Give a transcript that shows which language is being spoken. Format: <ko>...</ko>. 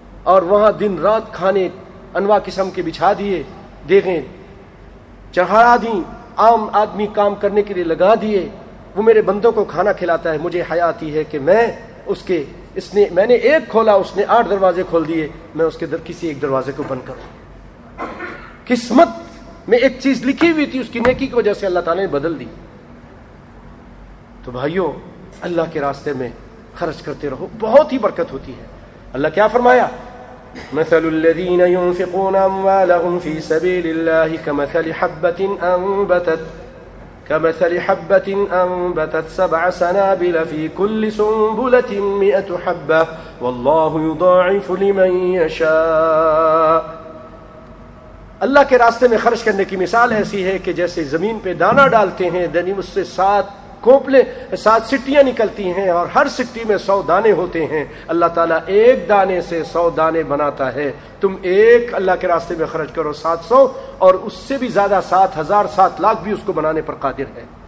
<ur>اور وہاں دن رات کھانے انواع قسم کے بچھا دیے, دیگیں چڑھا دیں, عام آدمی کام کرنے کے لیے لگا دیے, وہ میرے بندوں کو کھانا کھلاتا ہے, مجھے حیا آتی ہے کہ میں اس کے, اس نے میں نے ایک کھولا, اس نے 8 دروازے کھول دیے, میں اس کے کسی ایک دروازے کو بند کروں. قسمت میں ایک چیز لکھی ہوئی تھی, اس کی نیکی کی وجہ سے اللہ تعالی نے بدل دی. تو بھائیوں اللہ کے راستے میں خرچ کرتے رہو, بہت ہی برکت ہوتی ہے. اللہ کیا فرمایا,</ur> <ar>مثل الذين ينفقون اموالهم في سبيل الله كمثل حبة انبتت سبع سنابل في كل سنبلة 100 حبة والله يضاعف لمن يشاء.</ar> <ur>اللہ کے راستے میں خرچ کرنے کی مثال ایسی ہے کہ جیسے زمین پہ دانا ڈالتے ہیں, یعنی اس سے 7 سٹیاں نکلتی ہیں اور ہر سٹی میں 100 دانے ہوتے ہیں. اللہ تعالیٰ ایک دانے سے 100 دانے بناتا ہے. تم ایک اللہ کے راستے میں خرچ کرو 700, اور اس سے بھی زیادہ 7,000 7 لاکھ بھی اس کو بنانے پر قادر ہے.</ur>